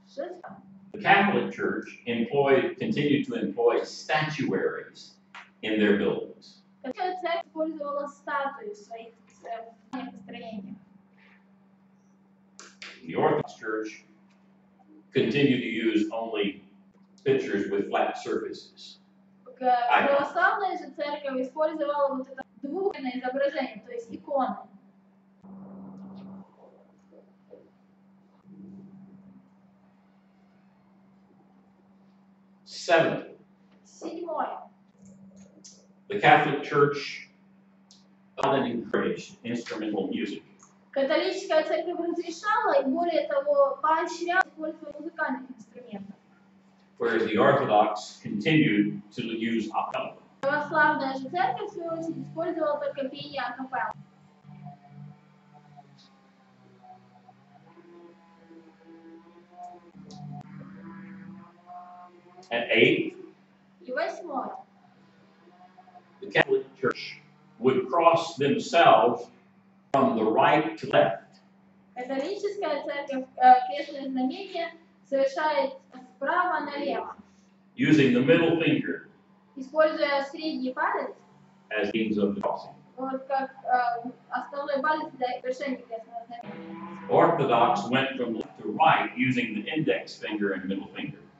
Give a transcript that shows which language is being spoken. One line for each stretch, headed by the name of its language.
English: The Catholic Church continued to employ statuaries in their buildings. The Orthodox Church continued to use only pictures with flat surfaces.
Russian: Православная же церковь использовала вот это двухмерное изображение, то есть иконы. Седьмое.
English: The Catholic Church encouraged instrumental music.
Russian: Католическая церковь разрешала и более того поощряла использование музыкальных инструментов.
English: Whereas the Orthodox continued to use a cappella.
Russian: Православная же церковь в свою очередь использовала только пение а капелла.
English: At 8.
Russian: И восьмое.
English: The Catholic Church would cross themselves from the right to left.
Russian: Католическая церковь крестное знамение совершает справа налево.
English: Using the middle finger.
Russian: Используя средний палец.
English: As means of crossing.
Russian: Вот как основной палец для совершения крестного знамения.
English: Orthodox went from left to right using the index finger and middle finger.